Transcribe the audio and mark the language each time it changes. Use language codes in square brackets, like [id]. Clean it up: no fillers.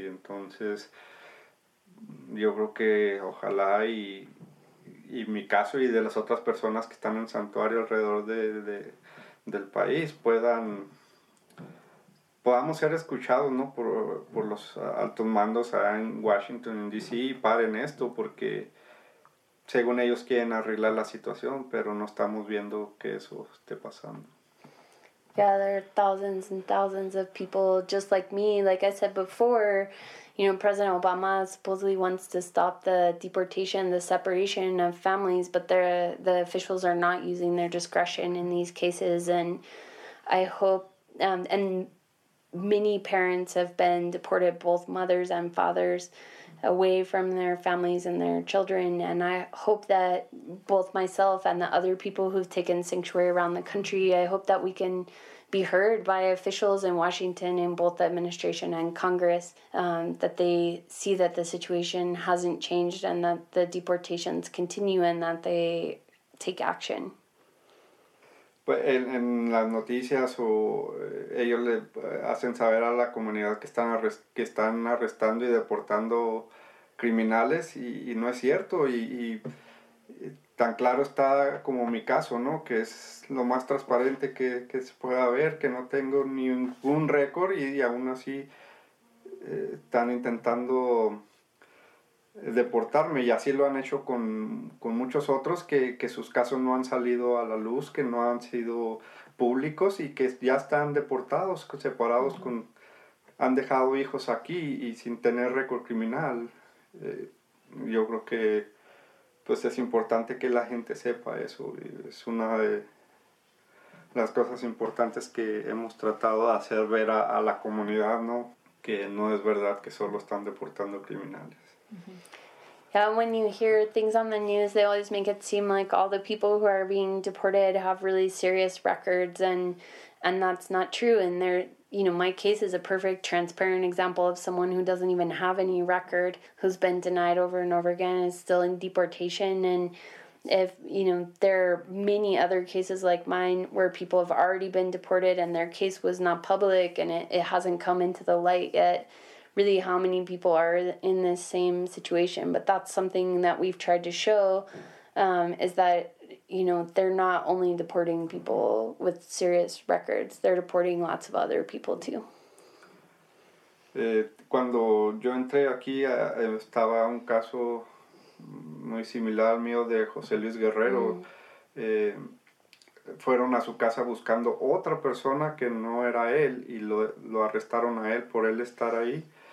[es] Y entonces yo creo que ojalá y mi caso y de las otras personas que están en santuario alrededor del país podamos ser escuchados, ¿no? por los altos mandos allá en Washington, en D.C. y paren esto, porque según ellos quieren arreglar la situación, pero no estamos viendo que eso esté pasando. [en] Yeah, there are thousands and thousands of people just like me. Like I said before, you know, President Obama supposedly wants to stop the deportation, the separation of families, but the officials are not using their discretion in these cases. And I hope, and many parents have been deported, both mothers and fathers, away from their families and their children. And I hope that both myself and the other people who've taken sanctuary around the country, I hope that we can be heard by officials in Washington, in both the administration and Congress, that they see that the situation hasn't changed and that the deportations continue and that they take action. [es] Pues en las noticias o ellos le hacen saber a la comunidad que están arrestando y deportando criminales y no es cierto. Y tan claro está como mi caso, ¿no? Que es lo más transparente que se pueda ver, que no tengo ningún récord y aún así están intentando deportarme, y así lo han hecho con muchos otros que sus casos no han salido a la luz, que no han sido públicos y que ya están deportados, separados, uh-huh. Han dejado hijos aquí y sin tener récord criminal. Yo creo que pues es importante que la gente sepa eso, y es una de las cosas importantes que hemos tratado de hacer ver a la comunidad, ¿no? Que no es verdad que solo están deportando criminales. [en] Yeah, when you hear things on the news, they always make it seem like all the people who are being deported have really serious records, and that's not true. And they're, you know, my case is a perfect transparent example of someone who doesn't even have any record, who's been denied over and over again, is still in deportation. And if, you know, there are many other cases like mine where people have already been deported and their case was not public and it hasn't come into the light yet, really how many people are in this same situation. But that's something that we've tried to show, is that, you know, they're not only deporting people with serious records, they're deporting lots of other people too. [es] Cuando yo entré aquí, estaba un caso muy similar al mío de José Luis Guerrero. Fueron a su casa buscando otra persona que no era él y lo arrestaron a él por él estar ahí.